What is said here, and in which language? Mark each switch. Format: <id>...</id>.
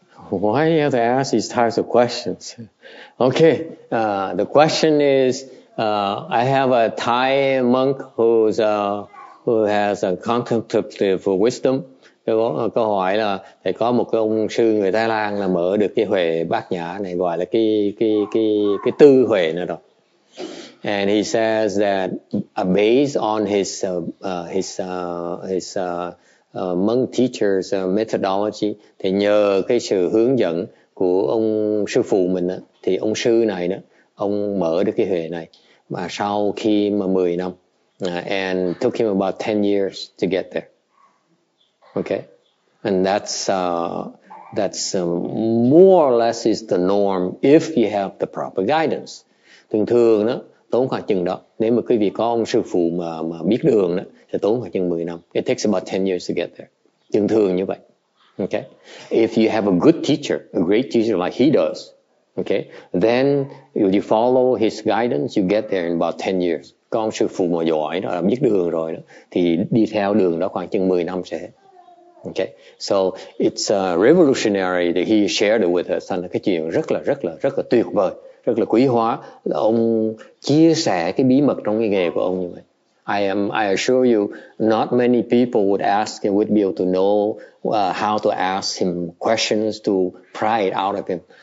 <en>Why you have to ask these types of questions? Okay. The question is, I have a Thai monk who has a contemplative wisdom.</en> <vi>Câu hỏi là thầy có một cái ông sư người Thái Lan là mở được cái huệ bát nhã này, gọi là cái tư huệ này rồi.</vi> <en>And he says that based on his monk teacher's methodology,</en> <vi>thì nhờ cái sự hướng dẫn của ông sư phụ mình đó, thì ông sư này đó, ông mở được cái huệ này. Mà sau khi mà 10 năm,</vi> <en>and took him about 10 years to get there. Okay, and that's more or less is the norm if you have the proper guidance.</en> <vi>Thường thường đó, tốn khoảng chừng đó. Nếu mà quý vị có ông sư phụ mà biết đường đó, thì tốn khoảng chừng 10 năm.</vi> <en>It takes about 10 years to get there.</en> <vi>Thường thường như vậy.</vi> <en>Okay, if you have a good teacher, a great teacher like he does, okay, then you follow his guidance, you get there in about 10 years.</en> <vi>Con sư phụ mà giỏi đó, biết đường rồi đó, thì đi theo đường đó khoảng chừng 10 năm sẽ hết.</vi> <en>Okay, so it's revolutionary that he shared it with us.</en> <vi>Cái chuyện rất là tuyệt vời, rất là quý hóa. Là ông chia sẻ cái bí mật trong cái nghề của ông như vậy.</vi> <en>I assure you, not many people would ask and would be able to know how to ask him questions to pry it out of him.</en>